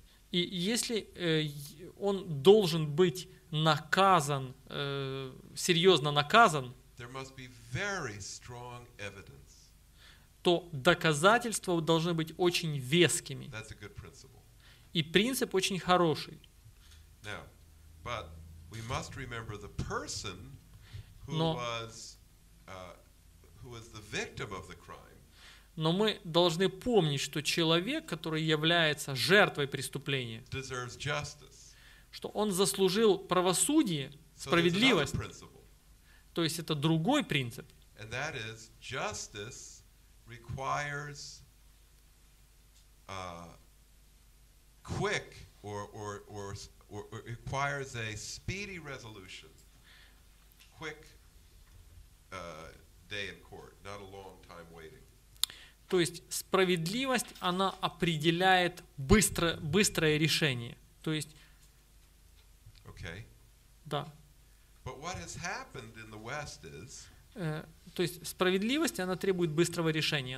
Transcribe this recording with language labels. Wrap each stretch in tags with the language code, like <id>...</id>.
<ru>И если он должен быть наказан, серьезно наказан,</ru> <en>there must be very strong evidence.</en> <ru>То доказательства должны быть очень вескими.</ru> <en>That's a good principle.</en> <ru>И принцип очень хороший.</ru> <en>Now, but we must remember the person who was the victim of the crime.</en> <ru>Но мы должны помнить, что человек, который является жертвой преступления,</ru> <en>deserves justice.</en> <ru>Что он заслужил правосудие, справедливость.</ru> <en>So there's another principle.</en> <ru>То есть это другой принцип.</ru> <en>And that is justice requires quick or requires a speedy resolution. Quick day in court, not a long time waiting.</en> <ru>То есть справедливость, она определяет быстрое решение. То есть</ru> <en>okay.</en> <ru>Да.</ru> <en>But what has happened in the West is</en> <ru>то есть справедливость, она требует быстрого решения.</ru>